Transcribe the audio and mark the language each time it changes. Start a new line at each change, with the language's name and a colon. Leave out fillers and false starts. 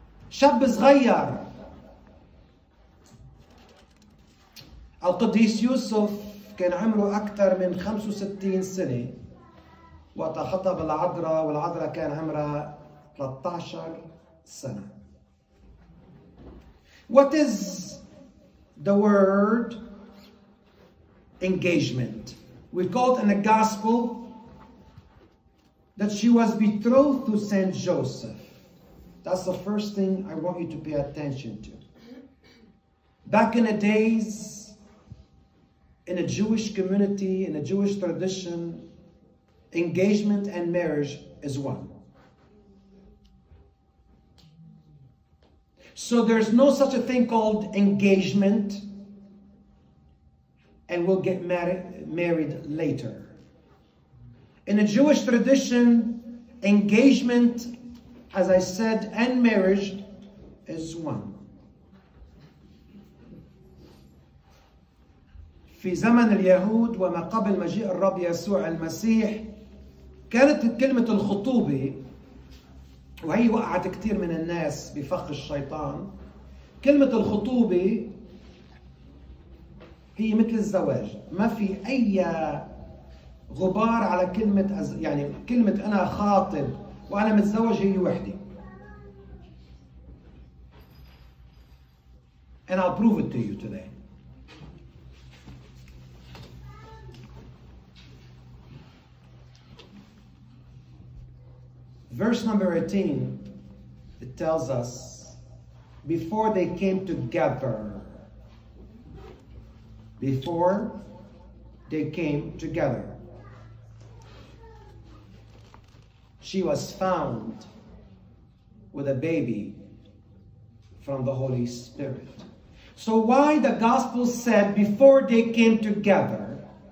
Arabic: شاب صغير. القديس يوسف كان عمره أكثر من 65 سنة وقت خطب العذراء، والعذراء كان عمرها 13 سنة.
English: What is the word engagement? We call it in the gospel that she was betrothed to Saint Joseph. That's the first thing I want you to pay attention to. Back in the days, in a Jewish community, in a Jewish tradition, engagement and marriage is one. So there's no such a thing called engagement and we'll get married later. In a Jewish tradition, engagement, as I said, and marriage is one.
Arabic: في زمن اليهود وما قبل مجيء الرب يسوع المسيح كانت كلمة الخطوبة وهي وقعت كثير من الناس بفخ الشيطان. كلمة الخطوبة هي مثل الزواج، ما في أي غبار على كلمة، يعني كلمة أنا خاطب وأنا متزوج هي وحدي.
English: And I'll prove it to you today. Verse number 18, it tells us, before they came together, before they came together, she was found with a baby from the Holy Spirit. So why the gospel said before they came together,